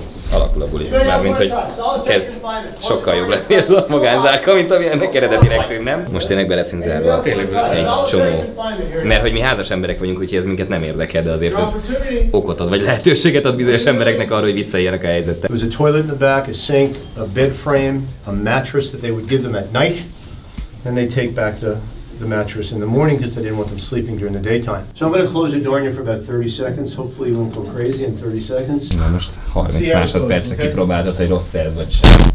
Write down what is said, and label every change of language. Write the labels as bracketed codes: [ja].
[hu] Alakul a buli, mármint hogy kezd sokkal jobb lenni ez a magánzárka, mint ami ennek eredetileg tűnt, nem? Most tényleg be leszünk zárva. Egy csomó. Mert hogy mi házas emberek vagyunk, úgyhogy ez minket nem érdekel, de azért ez okot ad, vagy lehetőséget ad bizonyos embereknek arra, hogy visszaérnek a helyzetet. [en] There was a toilet in the back, a sink, a bed frame, a mattress that they would give them at night, and they take back the mattress in the morning because they didn't want them sleeping during the daytime. So I'm going to close the door on you for about 30 seconds. Hopefully you won't go crazy in 30 seconds. [hu] Na most 30 másodpercre kipróbáltad, hogy rossz ez vagy sem.